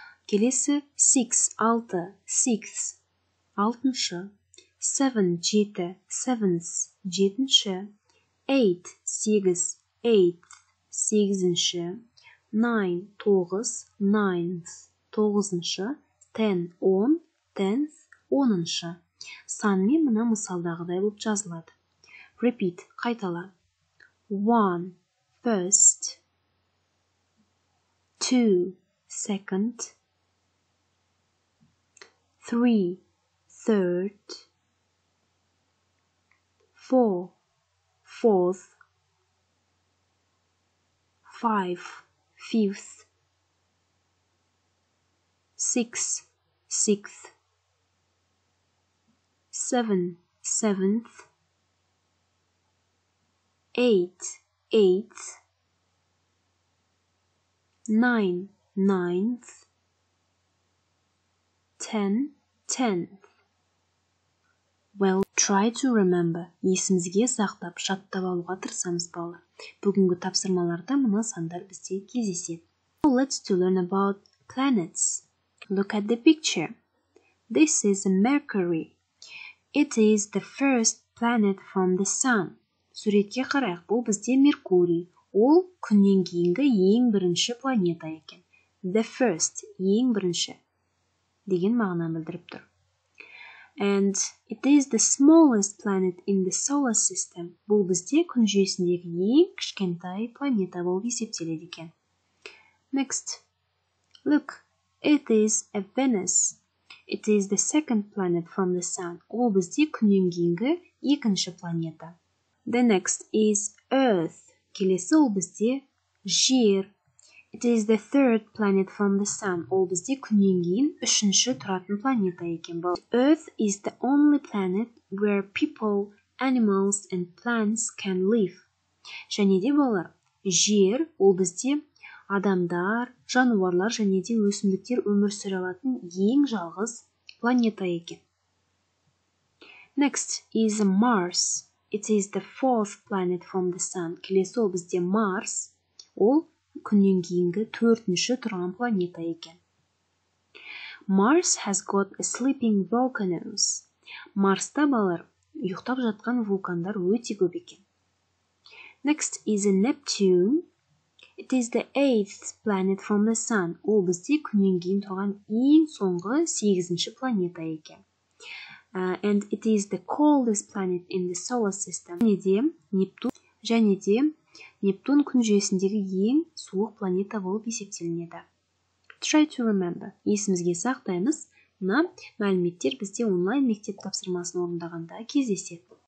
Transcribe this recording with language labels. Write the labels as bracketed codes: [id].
[kk] Келесі 6, 6, 6, 6-ші, 7, 7, 7-ші, 7-ші, 8, 8, 8, 8-ші, 9, 9, 9, 9-ші, 10, 10, 10, 10-ші. Санмен мына мысалдағыдай болып жазылады. Repeat, қайтала. [en] 1, first, 2 second, 3 third, 4 fourth, 5 fifth, 6 sixth, 7 seventh, 8 eighth, 9, 9th, 10, 10th. Well, try to remember. [kk] Есімізге сақтап, жаттап алуға тырысамыз балы. Бүгінгі тапсырмаларда мына сандар бізде кездеседі. [en] So let's to learn about planets. Look at the picture. This is Mercury. It is the first planet from the sun. [kk] Суретке қарайық, бұл бізде Меркурий. Ол күннен кейінгі ең бірінші планета екен. [en] The first, [kk] ең бірінші, деген мағына білдіріп тұр. [en] And it is the smallest planet in the solar system. [kk] Бұл бізде күн жүйесіндегі ең кішкентай планета болып есептеледі екен. [en] Next. Look, it is a Venus. It is the second planet from the sun. [kk] Ол бізде күнінгенгі екінші планета. [en] The next is Earth. [kk] Келесі ол бізде жер. [en] It is the third planet from the sun. [kk] Ол бізде күнінгейін үшінші тұратын планета екен бол. [en] Earth is the only planet where people, animals and plants can live. [kk] Және де болар, жер ол бізде адамдар, жануарлар және де өсімдіктер өмір сүре алатын ең жалғыз планета екен. [en] Next is Mars. It is the fourth planet from the sun. [kk] Келесі ол бізде Mars. Ол күннен кейінгі төртінші тұрған планета екен. [en] Mars has got a sleeping volcanoes. [kk] Марста балар, ұйықтап жатқан вулкандар өте көп екен. [en] Next is Neptune. It is the eighth planet from the sun. [kk] Ол бізде күннен кейін тұрған ең соңғы сегізінші планета екен. [en] And it is the coldest planet in the solar system. [kk] Және де Нептун күн жүйесіндегі ең суық планета болып есептелінеді. [en] Try to remember. [kk] Есімізге сақтаймыз, мына мәліметтер бізде онлайн мектеп тапсырмасын орындағанда кездеседі.